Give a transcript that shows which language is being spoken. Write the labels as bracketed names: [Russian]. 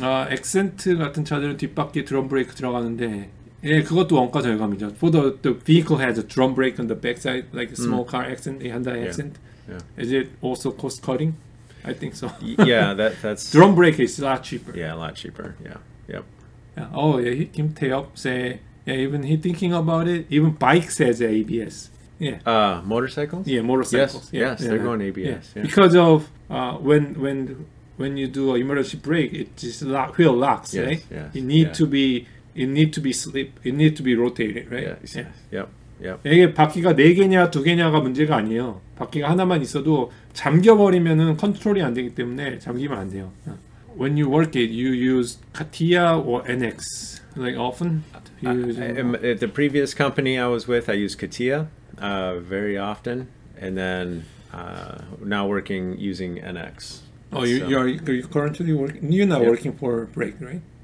[Korean] Accent 같은 차들은 뒷바퀴 드럼 브레이크 들어가는데 예 그것도 원가 절감이죠. [English] For the vehicle has a drum brake on the backside, like a small car accent, a Hyundai accent. Is it also cost cutting? I think so. Yeah, that's drum brake is a lot cheaper. Yeah, a lot cheaper. Yeah. Yep. Yeah. Oh yeah, Kim Tae-up say yeah, even he thinking about it. Even bikes has ABS. Yeah. Motorcycles? Yeah, motorcycles. Yes. Yeah. Yes, they're going ABS. Yeah. Because of when you do an emergency brake, it just wheel locks, yes, right? Yes, it need to be rotated, right? Yes, yeah. Yep. [Korean] 이게 바퀴가 네 개냐 두 개냐가 문제가 아니에요. 바퀴가 하나만 있어도 잠겨 버리면은 컨트롤이 안 되기 때문에 잠기면 안 돼요. [English] When you work it, you use Katia or NX like often? At the previous company I was with, I used Katia very often, and then now working using NX. Oh, you're currently working. You're not working for Brake, right?